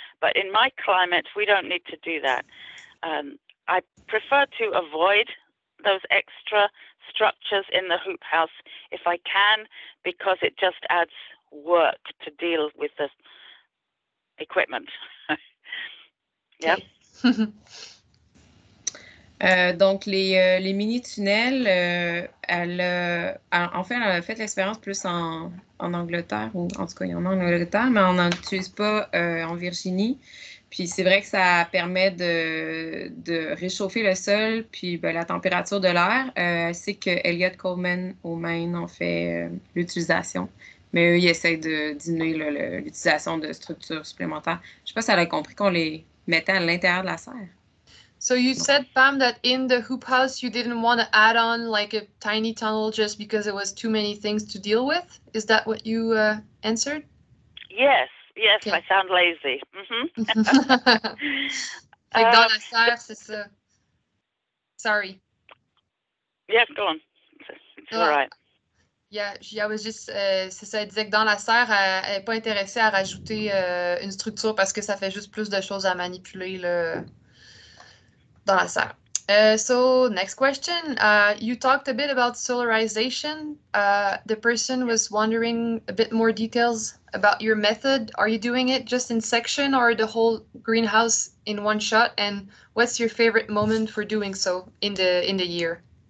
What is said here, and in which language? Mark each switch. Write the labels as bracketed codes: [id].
[en] But in my climate, we don't need to do that. I prefer to avoid those extra structures in the hoop house if I can, because it just adds work to deal with the equipment. Yeah. [fr] Donc, les mini-tunnels, elle a fait l'expérience plus en Angleterre, ou en tout cas, il y en a en Angleterre, mais on n'en utilise pas en Virginie. Puis, c'est vrai que ça permet de réchauffer le sol, puis ben, la température de l'air. C'est que Elliot Coleman au Maine en fait l'utilisation, mais eux, ils essayent de diminuer l'utilisation de structures supplémentaires. Je ne sais pas si elle a compris qu'on les mettait à l'intérieur de la serre. [en] So you said, Pam, that in the hoop house, you didn't want to add on like a tiny tunnel just because it was too many things to deal with. Is that what you answered? Yes. Yes, okay. I sound lazy. [fr] Mm-hmm. Like dans la serre, c'est ça. Sorry. [en] Yeah, go on. It's all right. Yeah, I was just... [fr] c'est ça, elle disait que dans la serre, elle n'est pas intéressée à rajouter une structure parce que ça fait juste plus de choses à manipuler, là. [en] So next question, you talked a bit about solarization. The person was wondering a bit more details about your method. Are you doing it just in section or the whole greenhouse in one shot? And what's your favorite moment for doing so in the year?